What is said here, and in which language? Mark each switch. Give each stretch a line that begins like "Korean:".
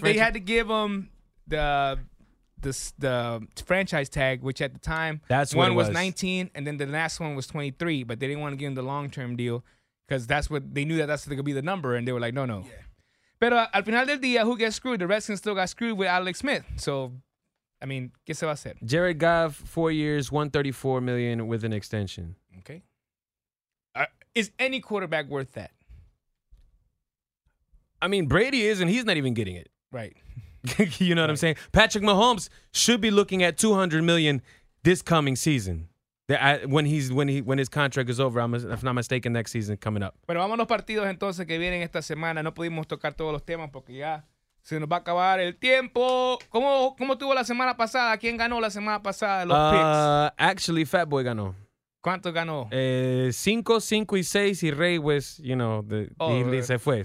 English: They had to give him the franchise tag, which at the time, that's one was 19, and then the last one was 23. But they didn't want to give him the long-term deal because that's what they knew, that that's going to be the number. And they were like, no, no. Yeah.
Spanish: Pero al final del día,
English: who gets screwed? The Redskins still got screwed with Alex Smith. So, I mean,
Spanish: ¿qué se va a hacer?
English: Jared Goff, 4 years, $134 million with an extension. Okay. Is any quarterback worth that? I mean, Brady is, and he's not even getting it. Right. what I'm saying? Patrick Mahomes should be looking at $200 million this coming season. When his contract is over, if not mistaken, next season coming up.
Spanish: Bueno, vamos a los partidos entonces que vienen esta semana. No pudimos tocar todos los temas porque ya se nos va a acabar el tiempo. ¿Cómo tuvo la semana pasada? ¿Quién ganó la semana pasada los picks?
English: Actually,
Spanish: Fatboy ganó. ¿Cuánto ganó? 5, 5,
English: and
Spanish: 6, y Ray
English: was,
Spanish: se fue.